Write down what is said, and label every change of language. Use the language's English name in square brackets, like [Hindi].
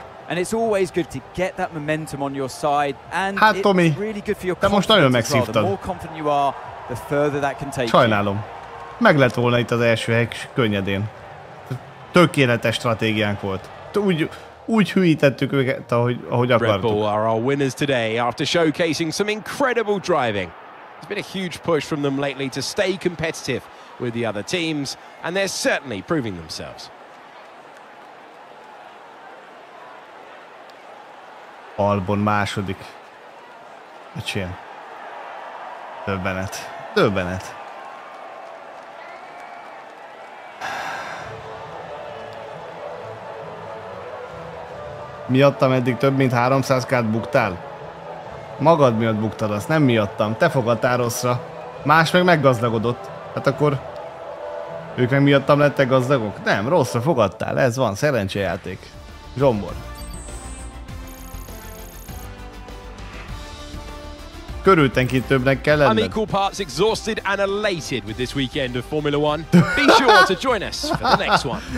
[English] And it's always good to get that momentum on your side, and [Hungarian] hát, [English] it's Tomi, really good for your confidence. Well. The more confident you are, the further that can take. [Hungarian] Sajnálom. Meg lett volna itt az első hely könnyedén. Tökéletes stratégiánk volt. Úgy hűítettük őket, ahogy akartuk. [English] Red Bull are our winners today after showcasing some incredible driving. There's been a huge push from them lately to stay competitive with the other teams, and they're certainly proving themselves. [Hungarian] Albon második. Öcsém. Döbbenet. Miattam eddig több mint 300 kárt buktál? Magad miatt buktad azt, nem miattam. Te fogadtál rosszra. Más meg meggazdagodott. Hát akkor ők meg miattam lettek gazdagok? Nem, rosszra fogadtál. Ez van, szerencsejáték. Zsombor. Körültenkítőbbnek kell lenned. [English] I'm equal parts exhausted and elated with this weekend of Formula 1. Be sure to join us for the next one.